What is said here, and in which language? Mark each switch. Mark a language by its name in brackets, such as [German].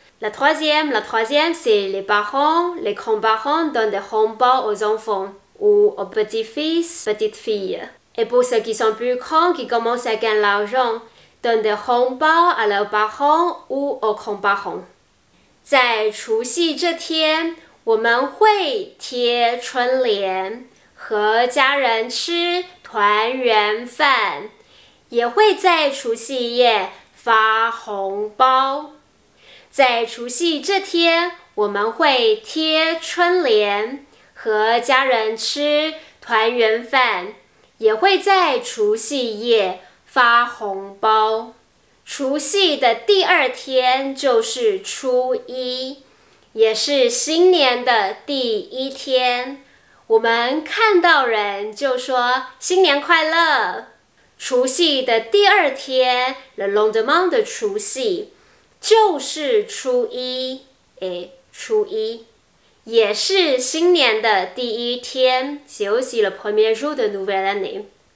[French] La troisième, c'est les parents, les grands-parents donnent des 红包 aux enfants ou aux petits-fils, petites-filles. Et pour ceux qui sont plus grands, qui commencent à gagner l'argent, donnent des 红包 à leurs parents ou aux grands-parents. [Chinese] 在除夕这天, 我们会贴春联, 和家人吃, 团圆饭, 也会在除夕夜, 发红包. 在除夕这天, 我们会贴春联, 和家人吃, 团圆饭, 也会在除夕夜, 发红包. 除夕的第二天就是初一, 也是新年的第一天。我们看到人就说新年快乐。除夕的第二天, [French] le lendemain de 除夕, [Chinese] 就是初一, 初一, 也是新年的第一天, [French] c'est aussi le premier jour de nouvelle année.